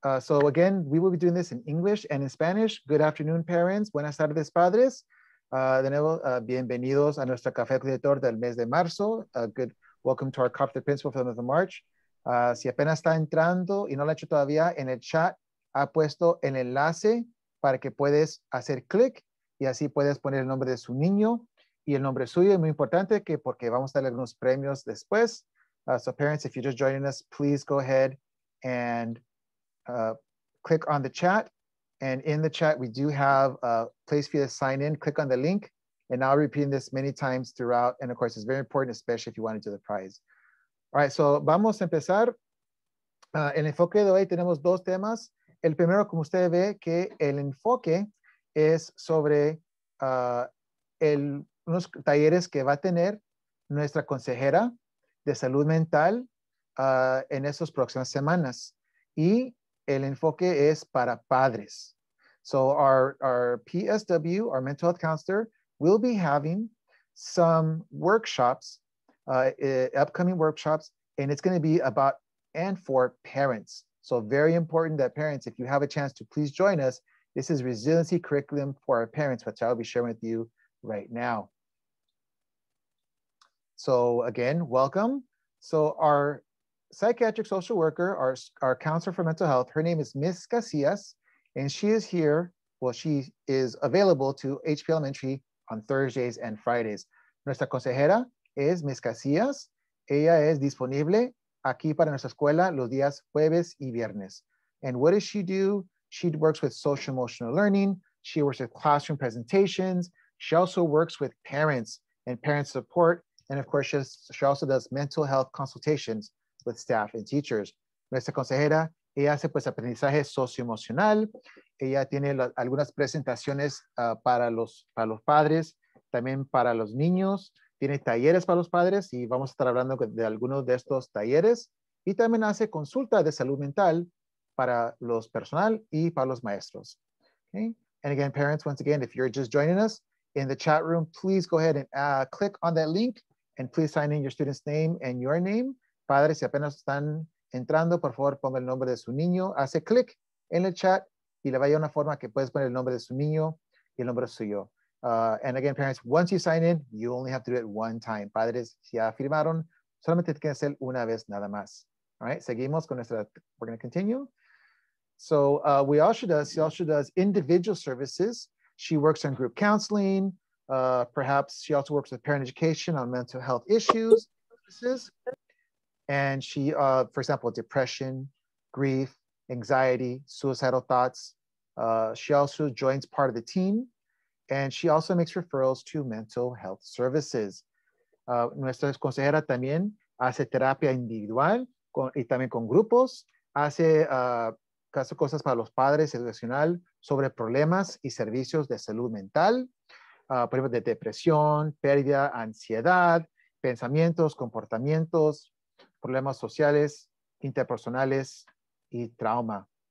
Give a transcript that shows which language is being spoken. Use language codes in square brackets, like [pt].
[en] So again, we will be doing this in English and in Spanish. Good afternoon, parents. [es] Buenas tardes, padres. De nuevo, bienvenidos a nuestro café con director del mes de marzo. [en] Welcome to our Carpe the Principal for the month of March. [es] Si apenas está entrando y no lo ha hecho todavía, en el chat ha puesto el enlace para que puedes hacer clic y así puedes poner el nombre de su niño y el nombre suyo. Y muy importante que porque vamos a darle algunos premios después. [en] So parents, if you're just joining us, please go ahead and click on the chat. And in the chat, we do have a place for you to sign in. Click on the link. And I'll repeat this many times throughout. And of course, it's very important, especially if you want to do the prize. All right, so [es] vamos a empezar. El enfoque de hoy tenemos dos temas. El primero, como usted ve, que el enfoque es sobre unos talleres que va a tener nuestra consejera de salud mental en esas próximas semanas. Y el enfoque es para padres. [en] So our PSW, our mental health counselor, will be having some workshops, upcoming workshops, and it's going to be about and for parents. So very important that parents, if you have a chance to please join us, this is resiliency curriculum for our parents, which I'll be sharing with you right now. So again, welcome. So our psychiatric social worker, our counselor for mental health, her name is Ms. Casillas, and she is here. Well, she is available to HP Elementary on Thursdays and Fridays. [es] Nuestra consejera es Ms. Casillas. Ella es disponible aquí para nuestra escuela los días jueves y viernes. [en] And what does she do? She works with social emotional learning. She works with classroom presentations. She also works with parents and parent support. And of course, she also does mental health consultations with staff and teachers. [es] Nuestra consejera, ella hace pues aprendizaje socioemocional. Ella tiene algunas presentaciones para los padres, también para los niños. Tiene talleres para los padres y vamos a estar hablando de algunos de estos talleres. Y también hace consulta de salud mental para los personal y para los maestros. [en] Okay. And again, parents, once again, if you're just joining us in the chat room, please go ahead and click on that link and please sign in your student's name and your name. [es] Padres, si apenas están entrando, por favor, ponga el nombre de su niño. Hace clic en el chat y le vaya una forma que puedes poner el nombre de su niño y el nombre suyo. [en] And again, parents, once you sign in, you only have to do it one time. [es] Padres, si ya firmaron, solamente tienen que hacer una vez nada más. [en] All right, [es] seguimos con nuestra, [en] we're going to continue. So she also does individual services. She works on group counseling. Perhaps she also works with parent education on mental health issues. And she, for example, depression, grief, anxiety, suicidal thoughts. She also joins part of the team. And she also makes referrals to mental health services. [es] Nuestra consejera también hace terapia individual y también con grupos. Hace cosas para los padres educacional sobre problemas y servicios de salud mental. Por ejemplo, de depresión, pérdida, ansiedad, pensamientos, comportamientos, problemas sociales, interpersonales y trauma.